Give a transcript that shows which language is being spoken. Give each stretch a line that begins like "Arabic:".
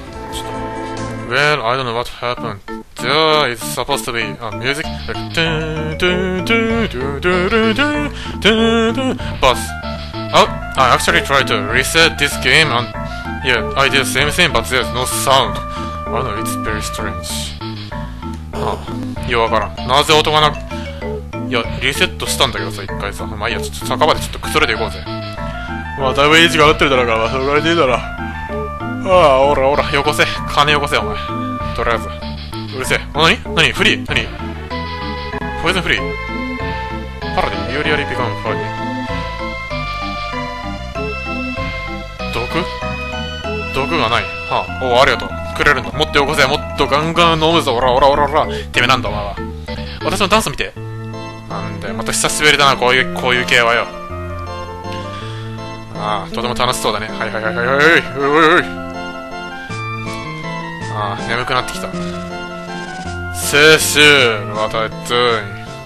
Japanese: ちょっと
English: Well, I don't know what happened. There is supposed to be a music But I actually tried to reset this game and yeah, I did the same thing, but there's no sound. I don't know, it's very strange.
Japanese: よわからん、なぜ音がなく、いや、リセットしたんだけどさ、一回さ。まあいいや、ちょっと酒場でちょっとくつろいでいこうぜ。まあだいぶエイジが上がってるだろうから、それぐらいでいいだろ。ああ、おらおら、よこせ、金よこせ。お前とりあえずうるせえ。なに、なに、フリー、なに、ポイズンフリー、パラディ、ユリアリピカム、パラディ毒、毒がない。はあ、おお、ありがとう、くれるんだ。もっとよこせ、もっとガンガン飲むぞ。おらおらおらおら、てめえなんだお前は。私のダンス見て。なんだよ、また久しぶりだな、こういう系はよ。ああ、とても楽しそうだね。はいはいはいはい、おいおいおい、ああ、眠くなってきた。
English: セシル、What are you doing?